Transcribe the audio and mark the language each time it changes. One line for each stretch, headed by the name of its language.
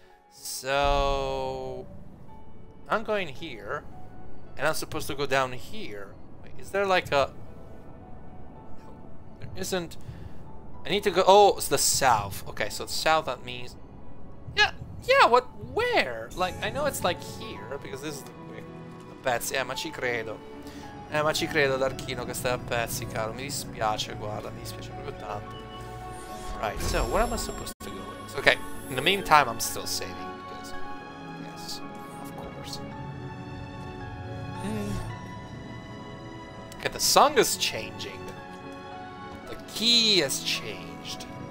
English: So I'm going here and I'm supposed to go down here. Wait, is there like a no. There isn't. I need to go it's the south. Okay, so south that means Yeah, what where? Like I know it's like here because this is the way. The bets.
Italian: Yeah, ma ci credo. Ma ci credo, Darkino, che stai a pezzi, caro. Mi dispiace, guarda, mi dispiace proprio tanto.
English: Right, so where am I supposed to go with this? Okay, in the meantime, I'm still saving because. Yes, of course. Okay, the song is changing. The key has changed.